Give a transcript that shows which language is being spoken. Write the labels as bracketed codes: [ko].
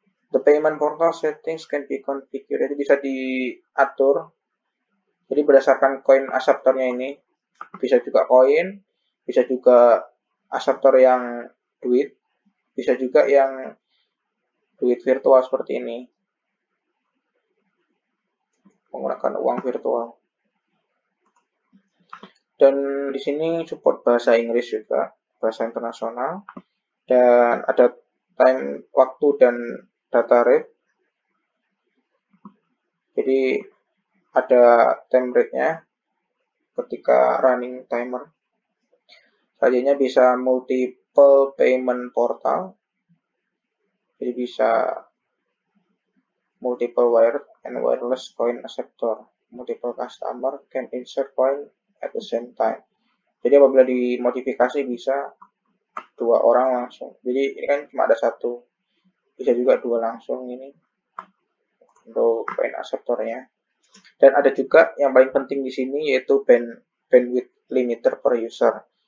[en] The payment portal settings can be configured. [id] Jadi bisa diatur. Jadi berdasarkan koin acceptornya ini, bisa juga koin, bisa juga acceptor yang duit, bisa juga yang duit virtual seperti ini. Menggunakan uang virtual. Dan di sini support bahasa Inggris juga, bahasa internasional. Dan ada time, waktu, dan data rate. Jadi ada time rate-nya ketika running timer. Selanjutnya bisa [en] multiple payment portal. [id] Jadi bisa [en] multiple wired and wireless coin acceptor. Multiple customer can insert coin at the same time. [id] Jadi apabila dimodifikasi bisa dua orang langsung. Jadi ini kan cuma ada satu. Bisa juga dua langsung ini. Untuk coin acceptornya. Dan ada juga yang paling penting di sini yaitu bandwidth limiter per user.